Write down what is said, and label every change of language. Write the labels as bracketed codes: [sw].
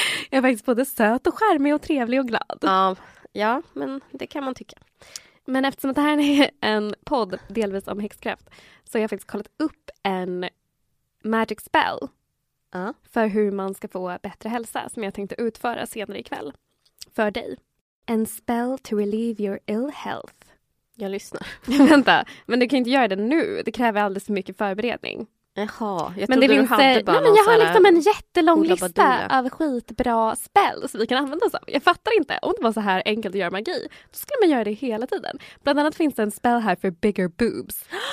[sv] Jag är faktiskt både söt och skärmig och trevlig och glad. Ja, men det kan man tycka. Men eftersom det här är en podd delvis om häxkraft så har jag faktiskt kollat upp en magic spell för hur man ska få bättre hälsa som jag tänkte utföra senare ikväll för dig. En [en] spell to relieve your ill health. [sv] Jag lyssnar. Vänta, men du kan inte göra det nu. Det kräver alldeles för mycket förberedning. Jaha, jag men det finns hade bara nej, men jag har liksom en jättelång lista av skitbra spel som vi kan använda oss av. Jag fattar inte, om det var så här enkelt att göra magi, då skulle man göra det hela tiden. Bland annat finns det en spel här för [en] bigger boobs.